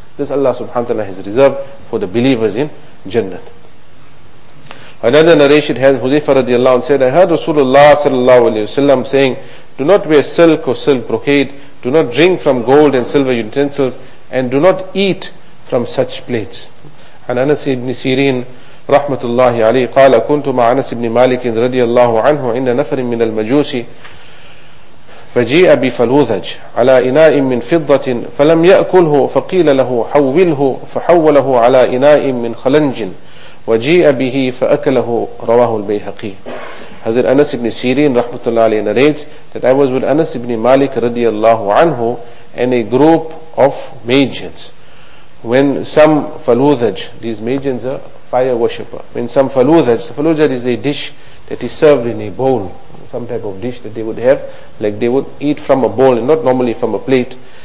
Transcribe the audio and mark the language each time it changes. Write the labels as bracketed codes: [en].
[en] This Allah subhanahu wa ta'ala has reserved for the believers in Jannah. Another narration has Hudhayfah radiallahu anhu said, I heard Rasulullah sallallahu alayhi wa sallam saying, do not wear silk or silk brocade, do not drink from gold and silver utensils, and do not eat from such plates. [ar] And Anas ibn Sirin rahmatullahi alayhi qala kuntu ma Anas ibn Malik radiallahu anhu inda nafarin min al-majusi فَجِئَ بِفَلُوذَجْ عَلَىٰ إِنَاءٍ مِّنْ فِضَّةٍ فَلَمْ يَأْكُلْهُ فَقِيلَ لَهُ حَوِّلْهُ فَحَوَّلَهُ عَلَىٰ إِنَاءٍ مِّنْ خَلَنْجٍ وَجِئَ بِهِ فَأَكَلَهُ رَوَاهُ الْبَيْهَقِي. [en] Hazrat Anas ibn Sirin rahmatullah alayhi narrates that I was with Anas ibn Malik radiallahu anhu and a group of magians. When some faludhaj, these magians are fire worshippers, when some faludhaj is a dish that is served in a bowl, some type of dish that they would have, like they would eat from a bowl and not normally from a plate.